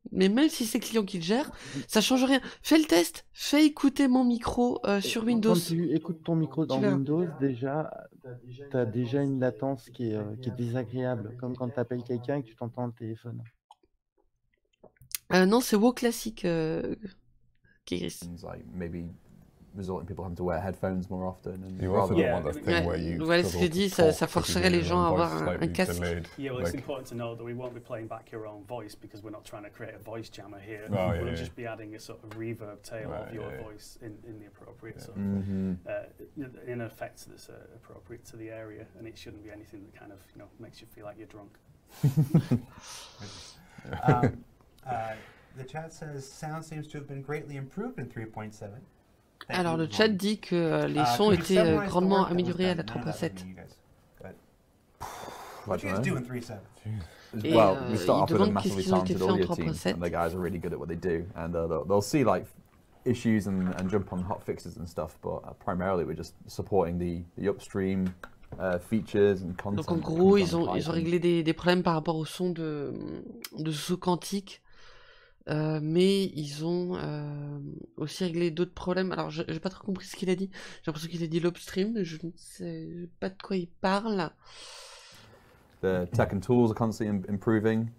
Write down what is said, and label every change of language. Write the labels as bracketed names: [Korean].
[French] Mais même si c'est le client qui le gère, ça ne change rien. Fais le test. Fais écouter mon micro sur Windows. Quand tu écoutes ton micro dans Windows, déjà, tu as déjà une latence qui est désagréable. Comme quand tu appelles quelqu'un et que tu t'entends le téléphone. Non, c'est WoW Classic. [English] Things like maybe resulting people having to wear headphones more often. And you also don't want that thing where you. [French] Voilà ce que je dis, ça forcerait les gens à avoir un casque. [English] Delayed. Yeah, well, it's like, important to know that we won't be playing back your own voice because we're not trying to create a voice jammer here. Oh, yeah, we'll just be adding a sort of reverb tail of your voice in the appropriate sort of in effect that's appropriate to the area, and it shouldn't be anything that kind of you know makes you feel like you're drunk. The chat says sound seems to have been greatly improved in 3.7. [French] Alors le chat dit que les sons étaient grandement améliorés à la 3.7. [English] What are you doing in 3.7? Well, we start off with a massively talented audio team, and the guys are really good at what they do, and they'll see like issues and jump on hot fixes and stuff. But primarily, we're just supporting the upstream. Features and content. [French] Donc en gros, ils ont réglé des problèmes par rapport au son de sous-quantique. Mais ils ont aussi réglé d'autres problèmes. Alors, je n'ai pas trop compris ce qu'il a dit. J'ai l'impression qu'il a dit l'upstream. Je ne sais pas de quoi il parle. [English] The tech and tools are constantly improving.